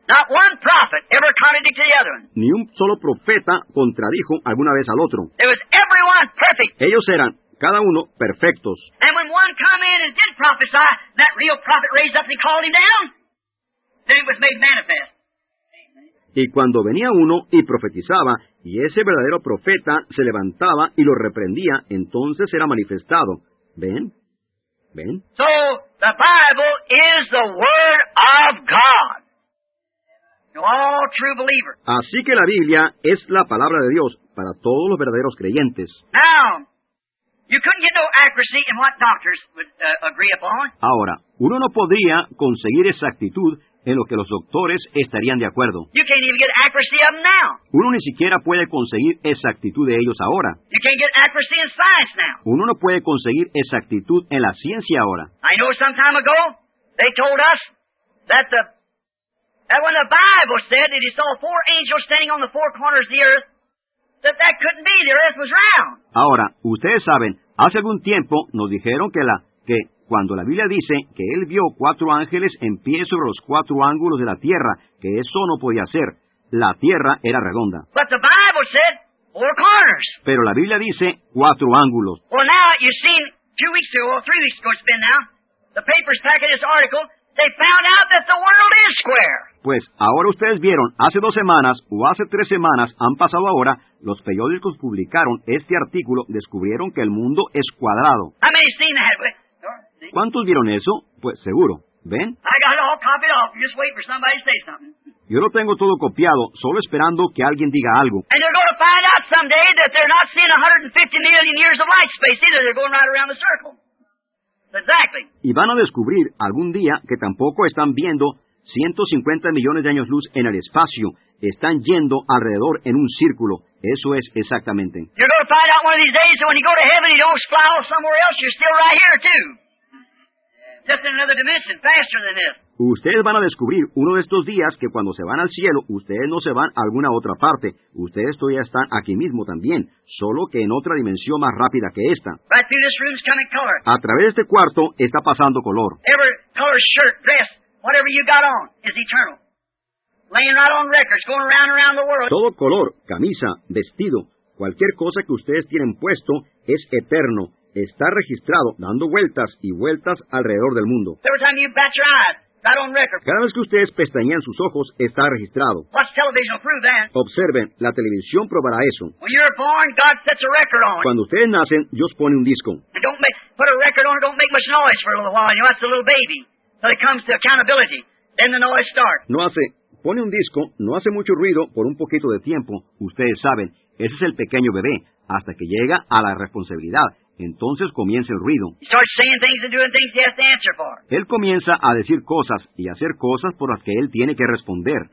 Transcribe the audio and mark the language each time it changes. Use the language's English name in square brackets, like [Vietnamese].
[English] Not one prophet ever contradicted the other. [Spanish] Ni un solo profeta contradijo alguna vez al otro. [English] It was everyone perfect. [Spanish] Ellos eran, cada uno, perfectos. [English] And when one came in and did prophesy, that real prophet raised up and called him down. Then it was made manifest. [Spanish] Y cuando venía uno y profetizaba, y ese verdadero profeta se levantaba y lo reprendía, entonces era manifestado. ¿Ven? ¿Ven? [English] So, the Bible is the Word of God. All true believers. [Spanish] Así que la Biblia es la palabra de Dios para todos los verdaderos creyentes. [English] Now, you couldn't get no accuracy in what doctors would agree upon. [Spanish] Ahora, uno no podría conseguir exactitud en lo que los doctores estarían de acuerdo. [English] You can't even get accuracy of them now. [Spanish] Uno ni siquiera puede conseguir exactitud de ellos ahora. [English] You can't get accuracy in science now. [Spanish] Uno no puede conseguir exactitud en la ciencia ahora. [English] I know some time ago, they told us that that when the Bible said that he saw four angels standing on the four corners of the earth, that couldn't be, the earth was round. [Spanish] Ahora, ustedes saben, hace algún tiempo nos dijeron que cuando la Biblia dice que él vio cuatro ángeles en pie sobre los cuatro ángulos de la tierra, que eso no podía ser. La tierra era redonda. [English] But the Bible said four corners. [Spanish] Pero la Biblia dice cuatro ángulos. [English] Well, now, you've seen, 2 weeks ago, 3 weeks ago it's been now, the papers packing this article, they found out that the world is square. [Spanish] Pues, ahora ustedes vieron, hace 2 semanas, o hace 3 semanas, han pasado ahora, los periódicos publicaron este artículo, descubrieron que el mundo es cuadrado. [English] How many have seen that? [Spanish] ¿Cuántos vieron eso? Pues seguro. ¿Ven? [English] I got it all copied off. Just wait for somebody to say something. [Spanish] Yo lo tengo todo copiado, solo esperando que alguien diga algo. [English] And they're going to find out someday that they're not seeing 150 million years of light space either. They're going right around the circle. Exactly. [Spanish] Y van a descubrir algún día que tampoco están viendo 150 millones de años luz en el espacio. Están yendo alrededor en un círculo. Eso es exactamente. [English] You're going to find out one of these days that when you go to heaven and you don't fly off somewhere else, you're still right here too. Just in another dimension, faster than this. [Spanish] Ustedes van a descubrir uno de estos días que cuando se van al cielo, ustedes no se van a alguna otra parte. Ustedes todavía están aquí mismo también, solo que en otra dimensión más rápida que esta. [English] Right through this room's coming color. [Spanish] A través de este cuarto está pasando color. [English] Every color shirt, dress, whatever you got on is eternal. Laying right on records, going around and around the world. [Spanish] Todo color, camisa, vestido, cualquier cosa que ustedes tienen puesto es eterno. Está registrado dando vueltas y vueltas alrededor del mundo. [English] Every time you bat your eyes, right on record. [Spanish] Cada vez que ustedes pestañean sus ojos, está registrado. [English] Watch television prove that. [Spanish] Observen, la televisión probará eso. [English] When you're born, God sets a record on. [Spanish] Cuando ustedes nacen, Dios pone un disco. [English] Put a record on, don't make much noise for a little while. You know, that's a little baby. So it comes to accountability. Then the noise starts. [Spanish] Pone un disco, no hace mucho ruido por un poquito de tiempo. Ustedes saben, ese es el pequeño bebé, hasta que llega a la responsabilidad. Entonces comienza el ruido. [English] He starts saying things and doing things he has to answer for. [Spanish] Él comienza a decir cosas y hacer cosas por las que él tiene que responder.